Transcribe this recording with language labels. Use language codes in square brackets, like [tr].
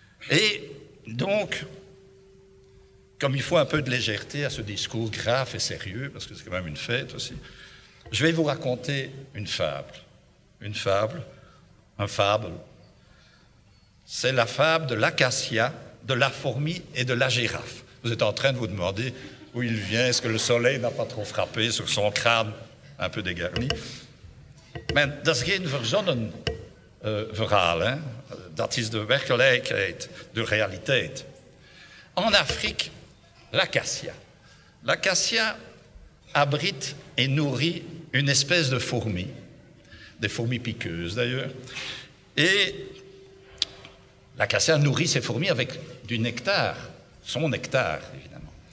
[fr] Et donc, comme il faut un peu de légèreté à ce discours grave et sérieux, parce que c'est quand même une fête aussi, je vais vous raconter une fable. C'est la fable de l'acacia, de la fourmi et de la girafe. Vous êtes en train de vous demander où il vient, est-ce que le soleil n'a pas trop frappé sur son crâne un peu dégarni. [de] Mais das geht für so ein Verhaal, hein? Das ist die Wirklichkeit, die Realität. [fr] En Afrique, l'acacia. L'acacia abrite et nourrit une espèce de fourmi, des fourmis piqueuses d'ailleurs. Et l'acacia nourrit ses fourmis avec du nectar, son nectar évidemment.